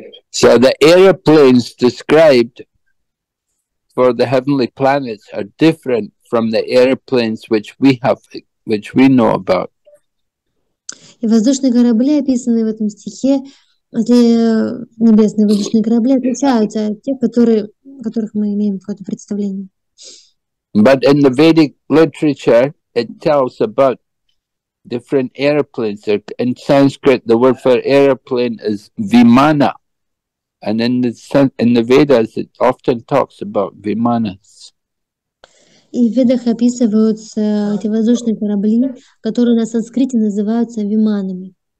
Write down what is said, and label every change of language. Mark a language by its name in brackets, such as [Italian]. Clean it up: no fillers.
[English] So the airplanes described for the heavenly planets are different from the airplanes which we know about. [Russian] И воздушные корабли, описанные в этом стихе, небесные воздушные корабли отличаются от тех, которых мы имеем какое-то представление. [English] But in the Vedic literature, it tells about different airplanes. In Sanskrit, the word for airplane is vimana. And in the Vedas, it often talks about vimanas. [Russian] И в Ведах описываются эти воздушные корабли, которые на санскрите называются виманами.